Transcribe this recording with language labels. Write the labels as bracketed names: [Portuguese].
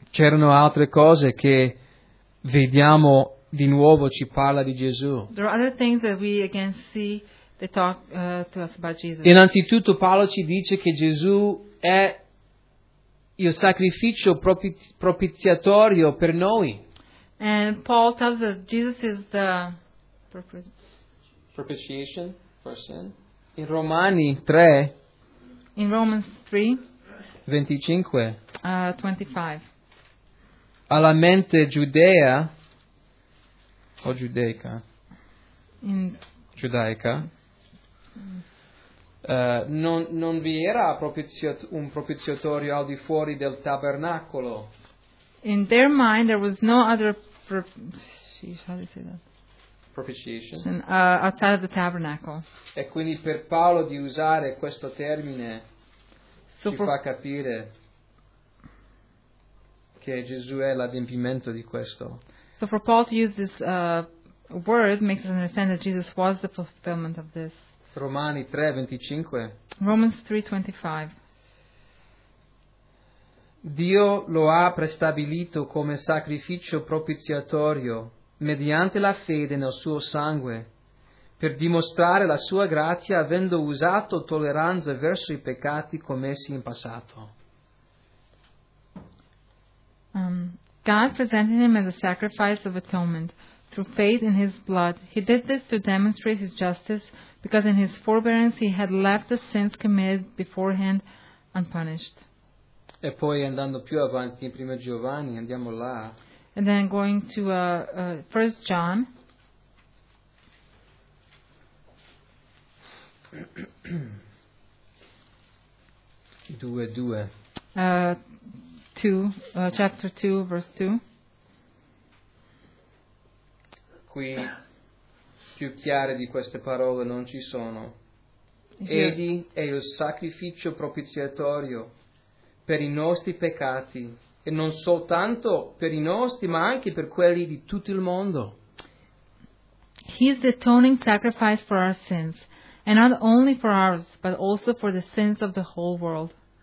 [Italian] C'erano altre cose che vediamo di nuovo, ci parla di Gesù. [English] There are other things that we again see. They talk to us about Jesus. [Italian] Innanzitutto Paolo ci dice che Gesù è il sacrificio propiziatorio per noi. [English] And Paul tells us Jesus is the propitiation for sin. In Romani 3. In Romans 3. [Italian] 25. [English] 25. [Italian] Alla mente giudea o giudeica. [English] In [Italian] giudaica. Non vi era un propiziatorio al di fuori del tabernacolo. [English] In their mind there was no other propitiation outside of the tabernacle. [Italian] E quindi per Paolo di usare questo termine fa capire che Gesù è l'adempimento di questo. [English] So for Paul to use this word makes us understand that Jesus was the fulfillment of this. [Italian] Romani 3:25. [English] Romans 3:25. [Italian] Dio lo ha prestabilito come sacrificio propiziatorio mediante la fede nel suo sangue, per dimostrare la sua grazia avendo usato tolleranza verso i peccati commessi in passato. [English] God presented him as a sacrifice of atonement through faith in his blood. He did this to demonstrate his justice. Because in his forbearance he had left the sins committed beforehand unpunished. [Italian] E poi andando più avanti in Prima Giovanni, andiamo là. [English] And then going to First John. [Italian] Versetto 2:2. [English] Chapter 2, verse 2. [Italian] Qui più chiare di queste parole non ci sono. Egli è il sacrificio propiziatorio per i nostri peccati, e non soltanto per i nostri, ma anche per quelli di tutto il mondo. [English] He is the atoning sacrifice for our sins, and not only for ours, but also for the sins of the whole world.